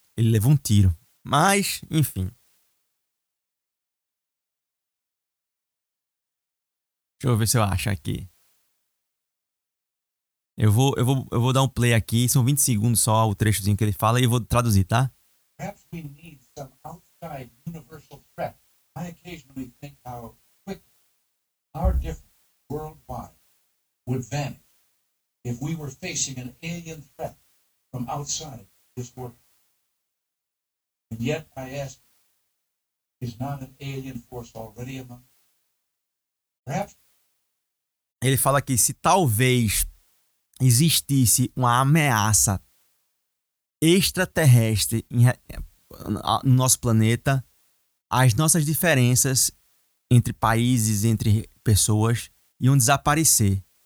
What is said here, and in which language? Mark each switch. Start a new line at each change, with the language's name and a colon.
Portuguese: Ele levou um tiro, mas enfim. Deixa eu ver se eu acho aqui. Eu vou dar um play aqui. São 20 segundos só o trechozinho que ele fala e eu vou traduzir, tá?
English: Perhaps we need some outside universal threat. I occasionally think how quick our difference worldwide would vanish if we were facing an alien threat from outside this world. And yet, I ask, is not an alien force already among us? Perhaps.
Portuguese: Ele fala que se talvez existisse uma ameaça extraterrestre no nosso planeta, as nossas diferenças entre países, entre pessoas, iam desaparecer.